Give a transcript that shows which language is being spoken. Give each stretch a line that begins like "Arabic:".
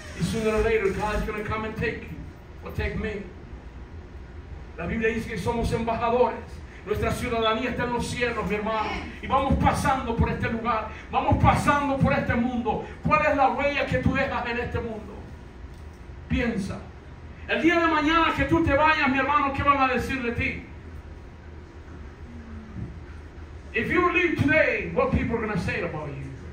English: Y sooner or later, God is going to come and take you. Or take me.
Spanish: La Biblia dice que somos embajadores. Nuestra ciudadanía está en los cielos, mi hermano. Y vamos pasando por este lugar. Vamos pasando por este mundo. ¿Cuál es la huella que tú dejas en este mundo? Piensa. El día de mañana que tú te vayas, mi hermano, ¿qué van a decir de ti?
English: If you leave today, what people are going to say about you?